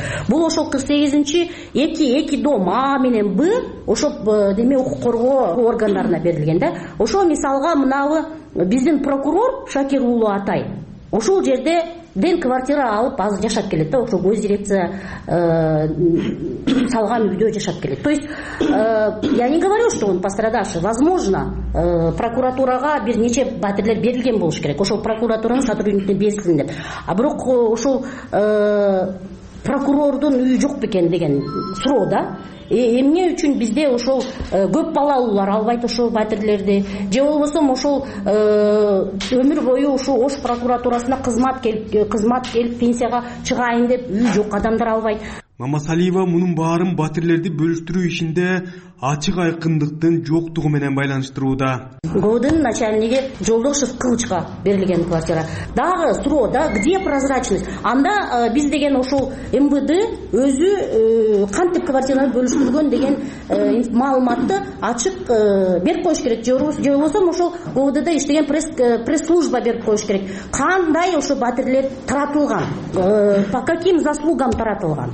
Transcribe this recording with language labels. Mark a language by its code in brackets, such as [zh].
[ky] Бул ошол 48-2 дом А менен Б ошол деме укук коргоо органдарына берилген да. Ошол мисалга мынабы биздин прокурор Шакир уулу Атай ошол жерде ден квартира алып азыр жашап келет да, ошо гос дирекция салган үйдө жашап келет. [ru] То есть я не говорю, что он пострадавший. [ky] Возможно, прокуратурага бир нече батирлер берилген болуш керек, ошол прокуратуранын сотрудникине берсин деп. А бирок ошол прокурордун үйү жок бекен деген суроо да. Эмне үчүн бизде ошол көп балалуулар албайт ошол батирлерди, же болбосо ошол өмүр бою ушул Ош прокуратурасына кызмат келип пенсияга чыгайын деп үйү жок адамдар албайт. Мамасалиева мунун баарын батирлерди бөлүштүрүү ишинде ачык айкындыктын жоктугу менен байланыштырууда. ГОДУНУН начальниги Жолдошов Кылычка берилген квартира. Дагы суроо да, где прозрачность? Анда биз деген ошол МВД өзү кантип квартираны бөлүштүргөн деген маалыматты ачык берип коюш керек. Же болбосо ошол ГОДУНУНда иштеген пресс-служба берип коюш керек. Кандай ошол батирлер таратылган? По каким заслугам таратылган?